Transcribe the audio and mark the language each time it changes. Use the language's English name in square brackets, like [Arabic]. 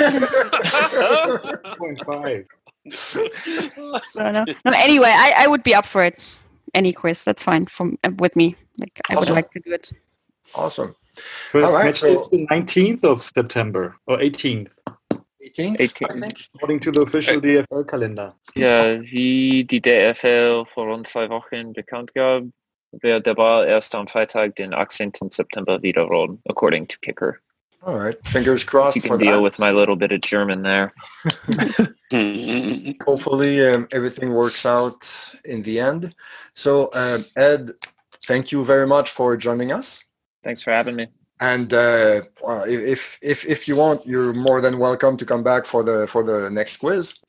[English] 0.5. No, anyway, I would be up for it. Any quiz, that's fine with me. Like, awesome. I would like to do it. Awesome. First match is the 19th of September, or 18th. 18th, according to the official DFL calendar. [German] Yeah, wie die DFL vor rund zwei Wochen bekannt gab, wird der Ball erst am Freitag, den 18. September, wieder rollen, [English] according to Kicker. All right, fingers crossed for that. You can deal with my little bit of German there. Hopefully everything works out in the end. So, Ed, thank you very much for joining us. Thanks for having me. And if you want, you're more than welcome to come back for the next quiz.